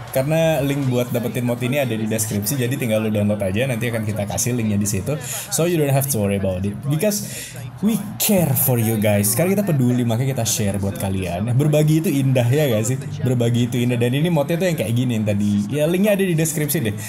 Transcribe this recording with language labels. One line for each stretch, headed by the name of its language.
Indonesian: karena link buat dapetin mod ini ada di deskripsi, jadi tinggal lu download aja, nanti akan kita kasih linknya di situ.
English: So you don't have to worry about it, because we care for you guys.
Indonesian: Karena kita peduli, makanya kita share buat kalian. Berbagi itu indah, ya gak sih? Berbagi itu indah. Dan ini modnya tuh yang kayak gini yang tadi, ya linknya ada di deskripsi deh.